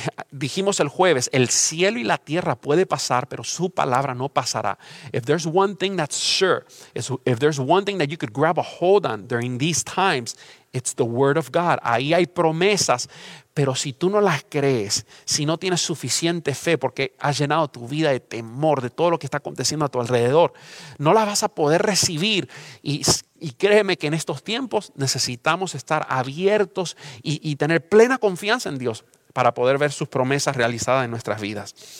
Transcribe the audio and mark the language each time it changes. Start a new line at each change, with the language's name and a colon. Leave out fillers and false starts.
Spanish: Dijimos el jueves, el cielo y la tierra puede pasar, pero su palabra no pasará.
English: If there's one thing that's sure, if there's one thing that you could grab a hold on during these times, it's the word of God.
Spanish: Ahí hay promesas, pero si tú no las crees, si no tienes suficiente fe porque has llenado tu vida de temor, de todo lo que está aconteciendo a tu alrededor, no las vas a poder recibir. Y créeme que en estos tiempos necesitamos estar abiertos y tener plena confianza en Dios para poder ver sus promesas realizadas en nuestras vidas.